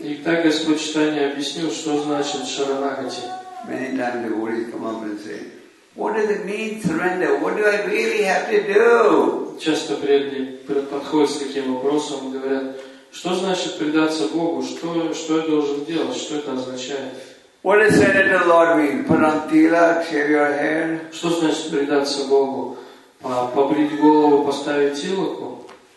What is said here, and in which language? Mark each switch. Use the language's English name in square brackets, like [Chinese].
[Russian] И так Господь Читания объяснил, что значит Шаранагати. [English] Many times devotees come up and say, what does it mean, surrender? What do I really have to do? [Russian] Часто преданные подходят с таким вопросом и говорят, Что значит предаться Богу? Что я должен делать? Что это означает? [English] What does surrender to the Lord mean? Put on tila, shave your hair? [Russian] Что значит предаться Богу? Побрить голову, поставить тилоку?